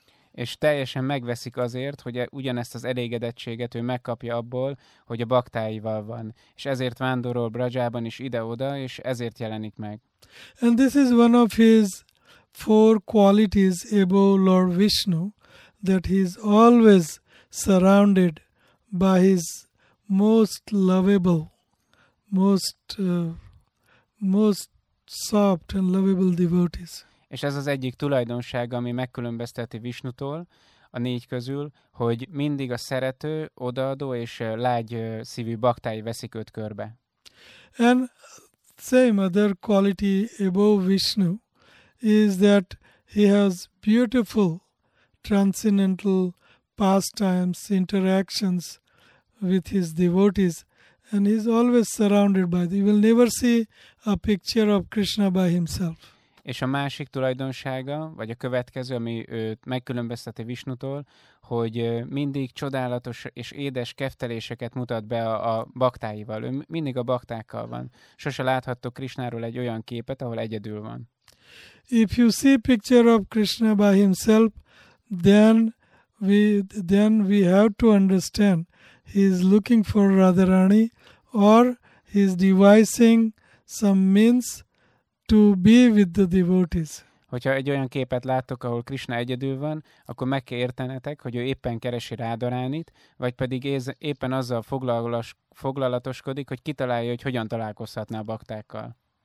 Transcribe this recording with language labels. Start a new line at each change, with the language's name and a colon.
Hungarian: És teljesen megveszik azért, hogy ugyanezt az elégedettséget ő megkapja abból, hogy a baktáival van. És ezért vándorol Brajában is ide-oda, és ezért jelenik meg.
English: And this is one of his four qualities above Lord Vishnu, that he is always surrounded by his most lovable, most soft and lovable devotees.
Hungarian: És ez az egyik tulajdonság, ami megkülönbözteti Vishnutól a négy közül, hogy mindig a szerető, odaadó és lágy szívű baktái veszik őt körbe.
English: And same other quality above Vishnu is that he has beautiful transcendental pastimes, interactions with his devotees, and he's always surrounded by them. You will never see a picture of Krishna by himself.
Hungarian: És a másik tulajdonsága, vagy a következő, ami őt megkülönbözteti Vishnutól, hogy mindig csodálatos és édes kefteléseket mutat be a baktáival. Ő mindig a baktákkal van. Sose láthattok Krishnáról egy olyan képet, ahol egyedül van.
English: If you see picture of Krishna by himself, then we have to understand he is looking for Radharani or he is devising some means to be with the devotees.
Hungarian: Hogyha egy olyan képet láttok, ahol Krishna egyedül van, akkor meg kell értenetek, hogy ő éppen keresi Radharanit, vagy pedig éppen azzal foglalatoskodik, hogy kitalálja, hogy hogyan találkozhatná a baktákkal.